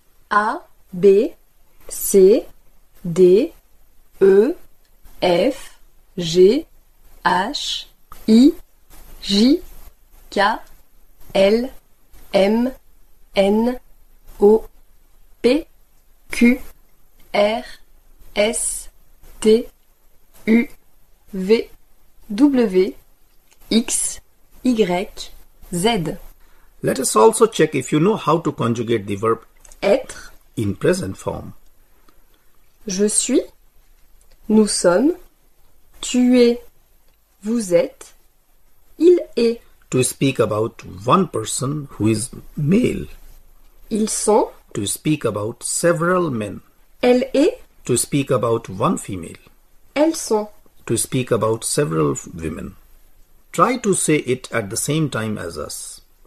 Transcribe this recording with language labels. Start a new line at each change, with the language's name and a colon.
English: A, B, C, D, E, F, G, H, I, J, K, L, M, N, O, P, Q, R, S, T, U, V, W, X, Y, Z. Let us also check if you know how to conjugate the verb
French: être
English: in present form.
French: Je suis, nous sommes, tu es, vous êtes, il est.
English: To speak about one person who is male.
French: Ils sont.
English: To speak about several men.
French: Elle est.
English: To speak about one female.
French: Elles sont.
English: To speak about several women. Try to say it at the same time as us.